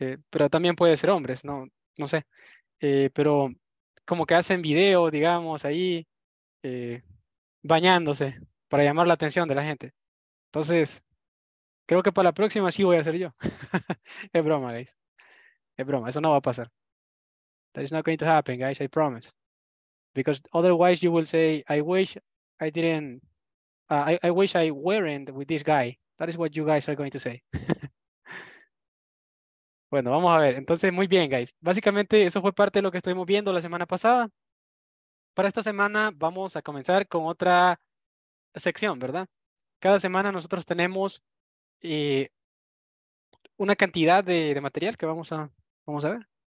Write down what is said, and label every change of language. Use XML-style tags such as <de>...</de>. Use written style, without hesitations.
<es>Pero también puede ser hombres, no sé. Pero... como que hacen video, digamos, ahí bañándose para llamar la atención de la gente. Entonces, creo que para la próxima sí voy a hacer yo. Es broma, guys. Es broma, eso no va a pasar.</es> <en>That is not going to happen, guys, I promise. Because otherwise you will say, I wish I weren't with this guy. That is what you guys are going to say.</en> <es>Bueno, vamos a ver. Entonces, muy bien, guys. Básicamente, eso fue parte de lo que estuvimos viendo la semana pasada. Para esta semana, vamos a comenzar con otra sección, ¿verdad? Cada semana nosotros tenemos una cantidad de material que vamos a ver.</es>